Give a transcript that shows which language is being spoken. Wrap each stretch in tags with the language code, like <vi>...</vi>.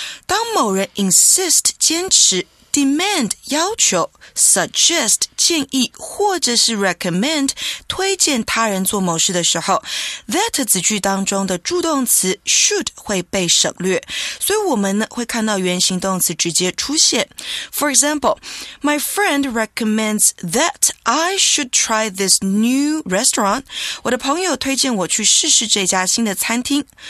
<zh>当某人 insist 坚持 demand 要求 suggest 建议或者是 recommend 推荐他人做某事的时候 that 子句当中的助动词 should 会被省略。所以我们呢会看到原形动词直接出现。</zh> <en>For example, my friend recommends that I should try this new restaurant.</en> <zh>我的朋友推荐我去试试这家新的餐厅。</zh>